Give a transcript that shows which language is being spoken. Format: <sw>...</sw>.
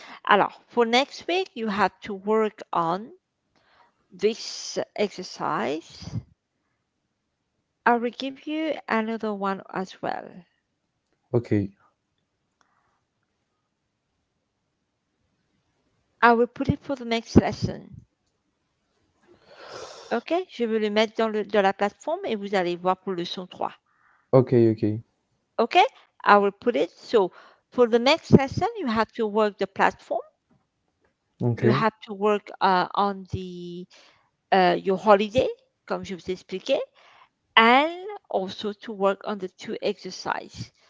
<en>Alors, for next week, you have to work on this exercise. I will give you another one as well. Okay. I will put it for the next lesson.</en> <fr>Okay, je vais le mettre dans la plateforme et vous allez voir pour leçon 3.</fr> <en>Okay, okay. Okay, I will put it. So, for the next lesson, you have to work the platform. Okay. You have to work on the your holiday,</en> <fr>comme je vous ai expliqué,</fr> <en>and also to work on the two exercises.</en>